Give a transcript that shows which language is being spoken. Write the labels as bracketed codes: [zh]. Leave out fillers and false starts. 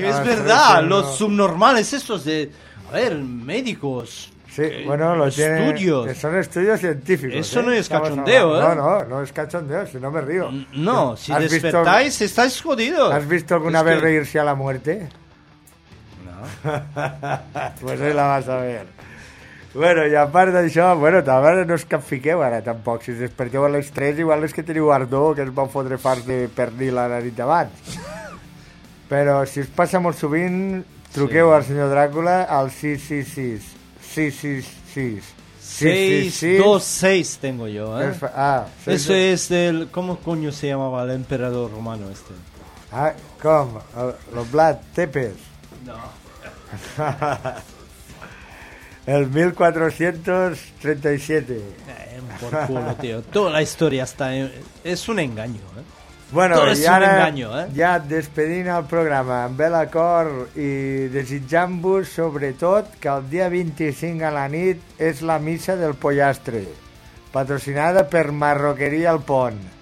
[es] Es verdad, 3, los subnormales estos de... A ver, médicos... Sí, bueno, lo tienen. Estudios. Son estudios científicos. Eso no es cachondeo, ¿eh? No, es cachondeo, si no me río. No, si despertáis, estáis jodidos. ¿Has visto alguna vez reírse a la muerte? No. Pues ahí la vas a ver. [ca] Bueno, i a part d'això, bueno, també no us capfiqueu ara tampoc. Si us desperteu a les 3, igual és que teniu ardor, que es va fotre fars de pernil a la nit abans. Però si us passa molt sovint, truqueu al senyor Dràcula al 666. Sí, sí, sí. [es] 626 tengo yo, ¿eh? Es, ah, eso dos. Es del... ¿Cómo coño se llamaba el emperador romano este? Ah, ¿cómo? ¿Los Vlad Tepes? No. El 1437. Por culo, tío. Toda la historia está... Es un engaño, ¿eh? Bueno, [ca] tot és i ara un enganyo, eh? Ja despedint el programa amb bel acord i desitjant-vos sobretot que el dia 25 a la nit és la missa del pollastre, patrocinada per Marroqueria al Pont.